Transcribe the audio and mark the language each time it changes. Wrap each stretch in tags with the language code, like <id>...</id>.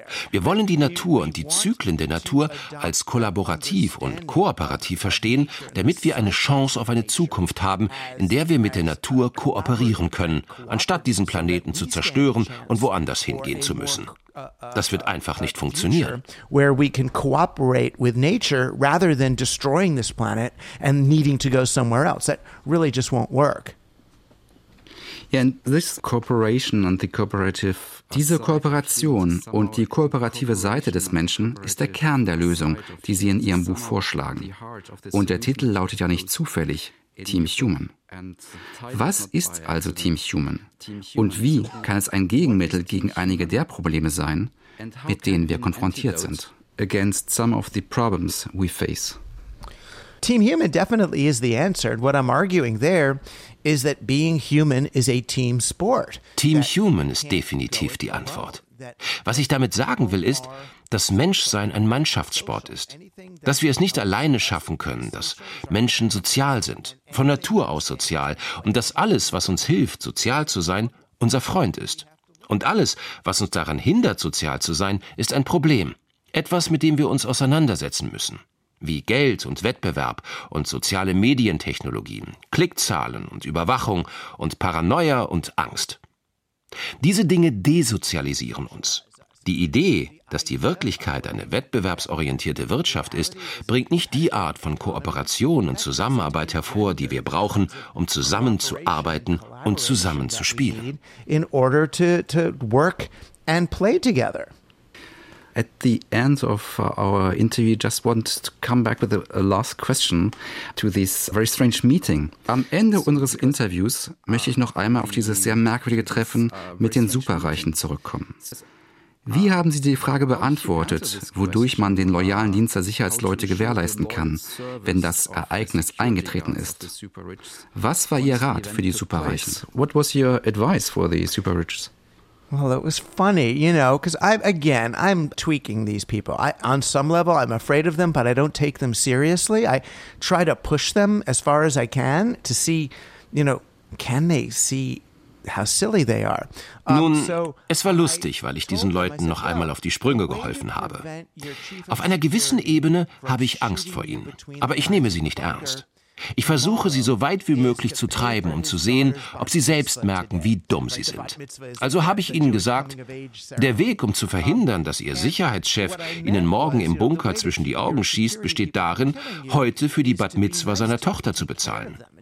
<de>Wir wollen die Natur und die Zyklen der Natur als kollaborativ und kooperativ verstehen, damit wir eine Chance auf eine Zukunft haben, in der wir mit der Natur kooperieren können, anstatt diesen Planeten zu zerstören und woanders hingehen zu müssen. Das wird einfach nicht funktionieren.</de> <en>Where we can cooperate with nature rather than destroying this planet and needing to go somewhere else. That really just won't work. Yeah, and this cooperation and the cooperative.</en> <de>Diese Kooperation und die kooperative Seite des Menschen ist der Kern der Lösung, die Sie in Ihrem Buch vorschlagen. Und der Titel lautet ja nicht zufällig Team Human. Was ist also Team Human? Und wie kann es ein Gegenmittel gegen einige der Probleme sein, mit denen wir konfrontiert sind?</de> <en>Against some of the problems we face. Team Human definitely is the answer. What I'm arguing there is that being human is a team sport.</en> <de>Team Human ist definitiv die Antwort. Was ich damit sagen will, ist, dass Menschsein ein Mannschaftssport ist. Dass wir es nicht alleine schaffen können, dass Menschen sozial sind, von Natur aus sozial, und dass alles, was uns hilft, sozial zu sein, unser Freund ist. Und alles, was uns daran hindert, sozial zu sein, ist ein Problem. Etwas, mit dem wir uns auseinandersetzen müssen. Wie Geld und Wettbewerb und soziale Medientechnologien, Klickzahlen und Überwachung und Paranoia und Angst. Diese Dinge desozialisieren uns. Die Idee, dass die Wirklichkeit eine wettbewerbsorientierte Wirtschaft ist, bringt nicht die Art von Kooperation und Zusammenarbeit hervor, die wir brauchen, um zusammenzuarbeiten und zusammenzuspielen.</de> <en>In order to work and play together. At the end of our interview, just want to come back with a last question to this very strange meeting.</en> <de>Am Ende unseres Interviews möchte ich noch einmal auf dieses sehr merkwürdige Treffen mit den Superreichen zurückkommen. Wie haben Sie die Frage beantwortet, wodurch man den loyalen Dienst der Sicherheitsleute gewährleisten kann, wenn das Ereignis eingetreten ist? Was war Ihr Rat für die Superreichen?</de> <en>What was your advice for the Superriches? Well, it was funny, you know, because I'm tweaking these people. On some level, I'm afraid of them, but I don't take them seriously. I try to push them as far as I can to see, you know, can they see how silly they are?</en> <de>Nun, es war lustig, weil ich diesen Leuten noch einmal auf die Sprünge geholfen habe. Auf einer gewissen Ebene habe ich Angst vor ihnen, aber ich nehme sie nicht ernst. Ich versuche, sie so weit wie möglich zu treiben, um zu sehen, ob sie selbst merken, wie dumm sie sind. Also habe ich ihnen gesagt, der Weg, um zu verhindern, dass ihr Sicherheitschef ihnen morgen im Bunker zwischen die Augen schießt, besteht darin, heute für die Bat Mitzwa seiner Tochter zu bezahlen.</de>